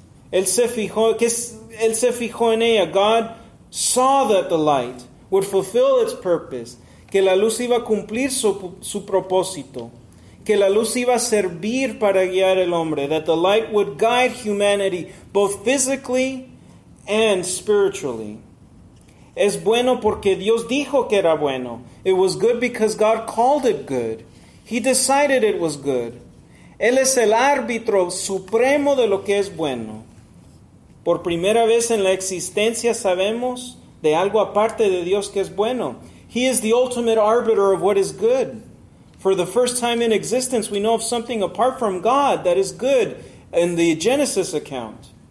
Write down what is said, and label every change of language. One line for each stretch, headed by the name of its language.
Spanish: Él se fijó en ella.
English: God saw that the light would fulfill its purpose,
Spanish: que la luz iba a cumplir su propósito, que la luz iba a servir para guiar el hombre,
English: that the light would guide humanity both physically and spiritually.
Spanish: Es bueno porque Dios dijo que era bueno.
English: It was good because God called it good. He decided it was good.
Spanish: Él es el árbitro supremo de lo que es bueno. Por primera vez en la existencia sabemos de algo aparte de Dios que es bueno.
English: He is the ultimate arbiter of what is good. For the first time in existence, we know of something apart from God that is good in the Genesis account.